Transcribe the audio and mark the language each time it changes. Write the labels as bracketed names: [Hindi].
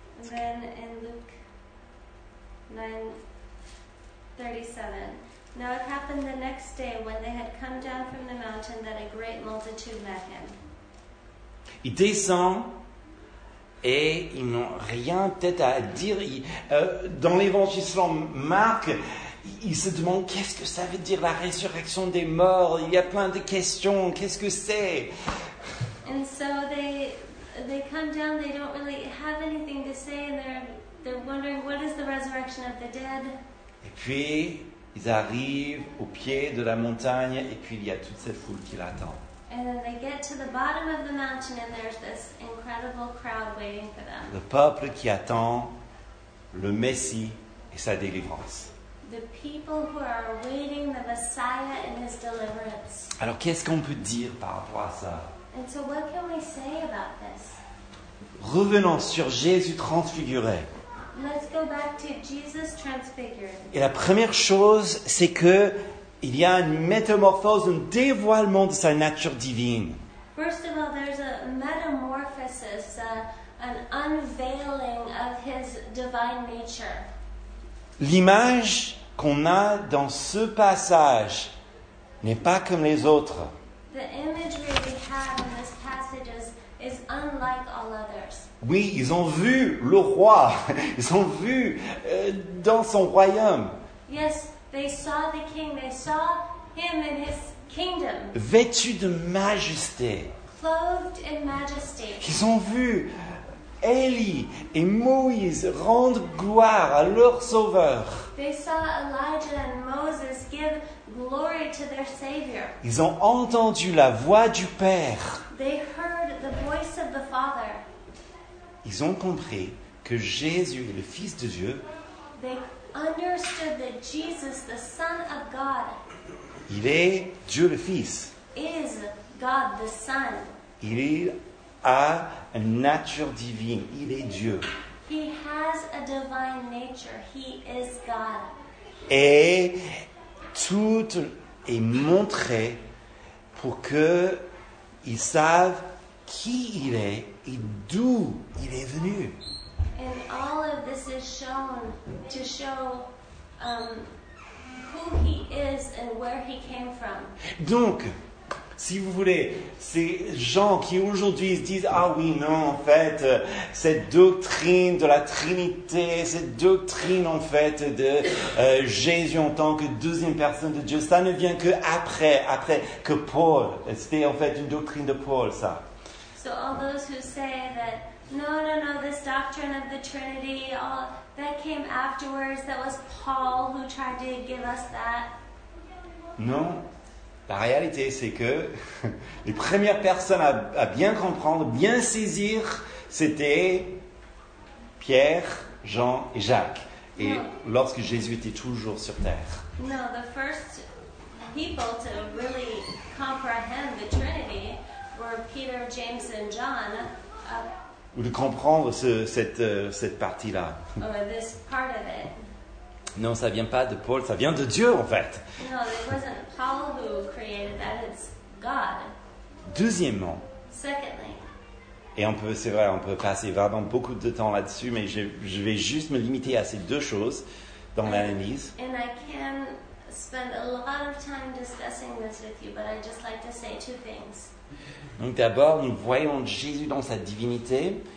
[English] Then in Luke 9:37, now it happened the next day when they had come down from the mountain that a great multitude met him. [French] Il descend et ils n'ont rien peut-être à dire. Dans l'évangile selon Marc, ils se demandent qu'est-ce que ça veut dire la résurrection des morts. Il y a plein de questions. Qu'est-ce que c'est? [English] And so they come down, they don't really have anything to say, and they're wondering what is the resurrection of the dead. [French] Et puis ils arrivent au pied de la montagne et puis il y a toute cette foule qui l'attend. [English] And then they get to the bottom of the mountain and there's this incredible crowd waiting for them. [French] Le peuple qui attend le Messie et sa délivrance. [English] The people who are awaiting the Messiah and his deliverance. [French] Alors qu'est-ce qu'on peut dire par rapport à ça? [English] And so what can we say about this? [French] Revenons sur Jésus transfiguré. [English] Let's go back to Jesus transfigured. [French] Et la première chose, c'est que il y a une métamorphose, un dévoilement de sa nature divine. [English] First of all, there's a metamorphosis, an unveiling of his divine nature. [French] L'image qu'on a dans ce passage n'est pas comme les autres. [English] The imagery we have in this passage is unlike all others. [French] Oui, ils ont vu le roi. Ils ont vu dans son royaume. [English] Yes, they saw the king. They saw him in his kingdom. [French] Vêtus de majesté. [English] Clothed in majesty. [French] Ils ont vu Élie et Moïse rendre gloire à leur sauveur. [English] They saw Elijah and Moses give glory to their Savior. [French] Ils ont entendu la voix du Père. [English] They heard the voice of the Father. [French] Ils ont compris que Jésus est le Fils de Dieu. [English] They understood that Jesus, the Son of God, [French] il est Dieu le Fils. [English] Is God the Son. [French] Il a une nature divine. Il est Dieu. [English] He has a divine nature. He is God. [French] Et tout est montré pour qu'ils savent qui il est et d'où il est venu. [English] And all of this is shown to show who he is and where he came from. [French] Donc, si vous voulez, ces gens qui aujourd'hui se disent « Ah oui, non, en fait, cette doctrine de la Trinité, cette doctrine, en fait, de Jésus en tant que deuxième personne de Dieu, ça ne vient qu'après que Paul. » C'était en fait une doctrine de Paul, ça. [English] So all those who say that, no, this doctrine of the Trinity, all that came afterwards, that was Paul who tried to give us that. [French] Non. La réalité, c'est que les premières personnes à bien comprendre, bien saisir, c'était Pierre, Jean et Jacques. Et [English] no. [French] Lorsque Jésus était toujours sur terre. [English] No, the first people to really comprehend the Trinity were Peter, James and John. [French] Ou de comprendre cette partie-là. [English] Or this part of it. [French] Non, ça vient pas de Paul, ça vient de Dieu en fait. [English] No, it wasn't Paul who created that, it's God. [French] Deuxièmement. [English] Secondly. [French] Et on peut passer vraiment beaucoup de temps là-dessus, mais je vais juste me limiter à ces deux choses dans l'analyse. [English] And I can spend a lot of time discussing this with you, but I just like to say two things. [French] Donc d'abord, nous voyons Jésus dans sa divinité.